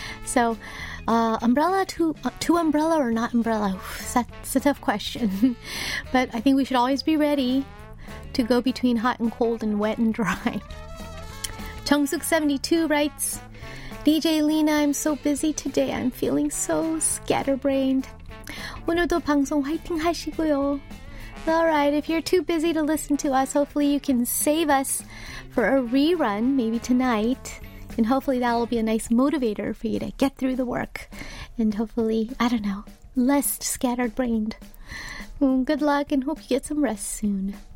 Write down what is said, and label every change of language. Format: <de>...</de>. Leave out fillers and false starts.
<en>So, umbrella to umbrella or not umbrella? That's a tough question. But I think we should always be ready to go between hot and cold and wet and dry. Chungsook 72 writes, DJ Lena, I'm so busy today. I'm feeling so scatterbrained.</en> <ko>오늘도 방송 화이팅 하시고요.</ko> <en>All right, if you're too busy to listen to us, hopefully you can save us for a rerun, maybe tonight. And hopefully that'll be a nice motivator for you to get through the work. And hopefully, I don't know, less scattered-brained. Good luck and hope you get some rest soon.</en>